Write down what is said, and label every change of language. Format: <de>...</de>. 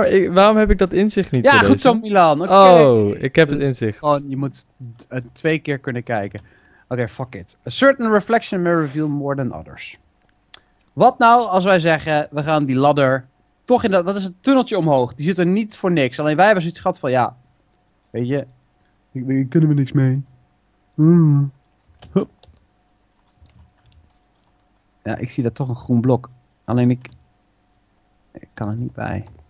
<nl>waarom heb ik dat inzicht niet? Ja, voor goed deze? Zo, Milan. Okay. Oh, ik heb dus het inzicht. Gewoon, je moet twee keer kunnen kijken. Oké, okay,</nl> <en>fuck it. A certain reflection may reveal more than others.</en> <nl>Wat nou als wij zeggen, we gaan die ladder toch in dat... Dat is een tunneltje omhoog. Die zit er niet voor niks. Alleen wij hebben zoiets gehad van, ja... Weet je... Hier kunnen we niks mee. Ja, ik zie daar toch een groen blok. Alleen ik kan er niet bij.</nl>